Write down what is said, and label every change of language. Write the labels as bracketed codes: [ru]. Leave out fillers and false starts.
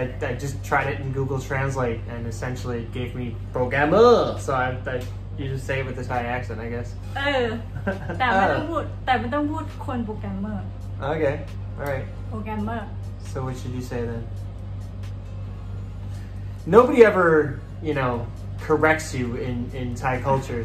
[en] I just tried it in Google Translate and essentially it gave me programmer. So I you just say it with a Thai accent, I guess. [th] แต่ไม่ต้องพูดคนโปรแกรมเมอร์ [en] Okay. All right. [th] โปรแกรมเมอร์ [en] So what should you say then? Nobody ever, you know, corrects you in Thai culture.